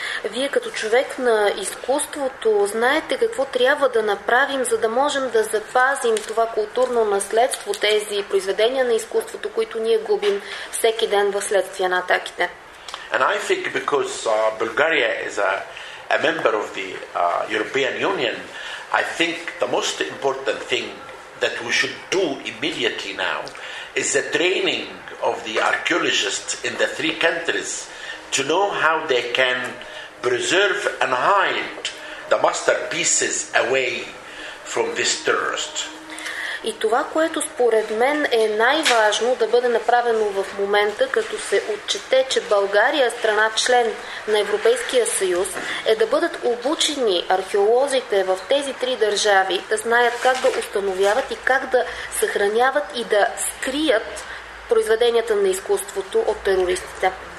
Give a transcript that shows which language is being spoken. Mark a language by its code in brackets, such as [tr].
[bg] Вие като човек на изкуството знаете какво трябва да направим, за да можем да запазим това културно наследство, тези произведения на изкуството, които ние губим всеки ден вследствие на атаките. [en] And I think because Bulgaria is a member of the European Union, I think the most important thing that we should do immediately now is the training of the archaeologists in the three countries to know how they can preserve and hide the masterpieces away from this terrorist. [bg] И това, което според мен е най-важно да бъде направено в момента, като се отчете, че България е страна член на Европейския съюз, е да бъдат обучени археолозите в тези три държави, да знаят как да установяват и как да съхраняват и да скрият произведенията на изкуството от терористите.